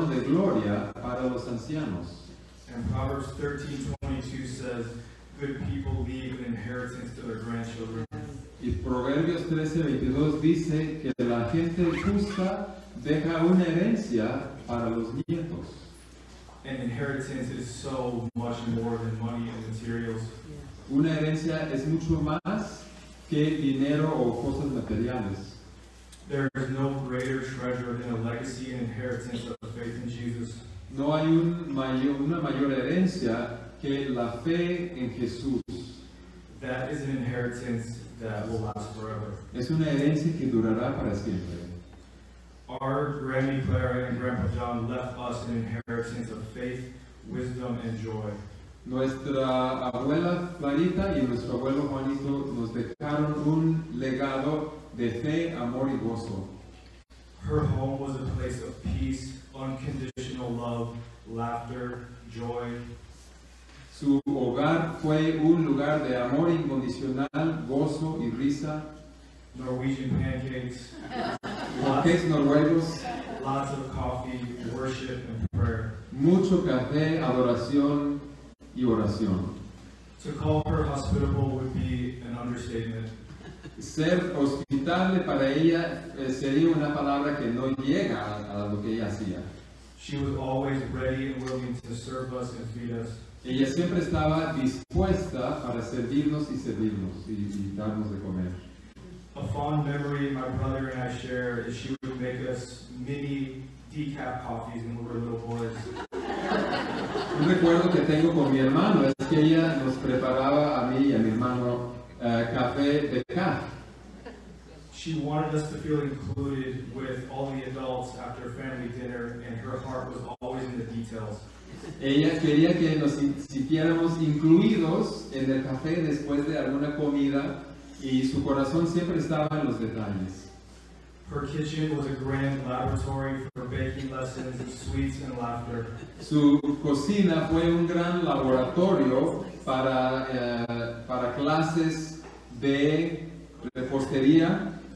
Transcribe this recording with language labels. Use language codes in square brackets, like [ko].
[en] And Proverbs 13:22 says, "Good people leave an inheritance to their grandchildren." [es] Y Proverbios 13:22 dice que la gente justa deja una herencia para los nietos. [en] And inheritance is so much more than money and materials. Yeah. [es] Una herencia es mucho más que dinero o cosas materiales. [en] There is no greater treasure than a legacy and inheritance of faith in Jesus. [es] No hay una mayor herencia que la fe en Jesús. [en] That is an inheritance that will last forever. [es] Es una herencia que durará para siempre. [en] Our Grammy Clara and Grandpa John left us an inheritance of faith, wisdom, and joy. [es] Nuestra abuela Clarita y nuestro abuelo Juanito nos dejaron un legado de fe, amor y gozo. [en] Her home was a place of peace, unconditional love, laughter, joy. [es] Su hogar fue un lugar de amor incondicional, gozo y risa. [en] Norwegian pancakes. [es] Pancakes noruegos. [en] Lots of coffee, worship and prayer. [es] Mucho café, adoración y oración. [en] To call her hospitable would be an understatement. [es] Ser hospitable para ella sería una palabra que no llega a lo que ella hacía. [en] She was always ready and willing to serve us and feed us. [es] Ella siempre estaba dispuesta para servirnos y darnos de comer. [en] A fond memory my brother and I share is she would make us mini decaf coffees when we were little boys. [es] Un recuerdo que tengo con mi hermano es que ella nos preparaba a mí y a mi hermano café de caf. [en] She wanted us to feel included with all the adults after family dinner, and her heart was always in the details. [es] Ella quería que nos sintiéramos incluidos en el café después de alguna comida, y su corazón siempre estaba en los detalles. [en] Her kitchen was a grand laboratory for baking lessons, sweets, and laughter. [es] Su cocina fue un gran laboratorio para clases de repostería.